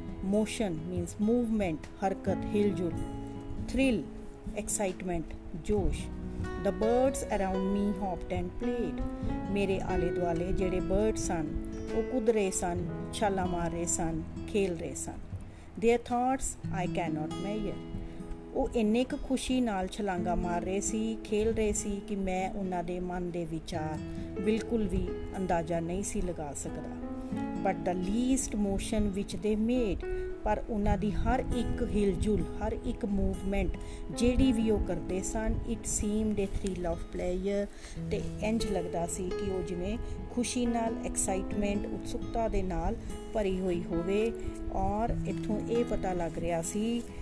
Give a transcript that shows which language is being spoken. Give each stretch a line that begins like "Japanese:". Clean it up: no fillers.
English: motion means movement,
Punjabi: ਹਰਕਤ, ਹਿਲਜੁਲ।
English: Thrill, excitement, ਜੋਸ਼। The birds around me hopped and played,
Punjabi: ਮੇਰੇ ਆਲੇ ਦੁਆਲੇ ਜਿਹੜੇ ਬਰਡ ਸਨ ਉਹ ਕੁੱਦ ਰਹੇ ਸਨ, ਛਾਲਾਂ ਮਾਰ ਰਹੇ ਸਨ, ਖੇਲ ਰਹੇ ਸਨ।
English: Their thoughts I cannot measure.
Punjabi: ਉਹ ਇੰਨੇ ਕੁ ਖੁਸ਼ੀ ਨਾਲ ਛਲਾਂਗਾ ਮਾਰ ਰਹੇ ਸੀ, ਖੇਲ ਰਹੇ ਸੀ ਕਿ ਮੈਂ ਉਹਨਾਂ ਦੇ ਮਨ ਦੇ ਵਿਚਾਰ ਬਿਲਕੁਲ ਵੀ ਅੰਦਾਜ਼ਾ ਨਹੀਂ ਸੀ ਲਗਾ ਸਕਦਾ।
English: but the least motion which they made,
Punjabi: ਪਰ ਉਹਨਾਂ ਦੀ ਹਰ ਇੱਕ ਹਿਲਜੁਲ, ਹਰ ਇੱਕ ਮੂਵਮੈਂਟ ਜਿਹੜੀ ਵੀ ਉਹ ਕਰਦੇ ਸਨ,
English: it seemed a thrill of player,
Punjabi: ਅਤੇ ਇੰਝ ਲੱਗਦਾ ਸੀ ਕਿ ਉਹ ਜਿਵੇਂ ਖੁਸ਼ੀ ਨਾਲ, ਐਕਸਾਈਟਮੈਂਟ, ਉਤਸੁਕਤਾ ਦੇ ਨਾਲ ਭਰੀ ਹੋਈ ਹੋਵੇ। ਔਰ ਇੱਥੋਂ ਇਹ ਪਤਾ ਲੱਗ ਰਿਹਾ ਸੀ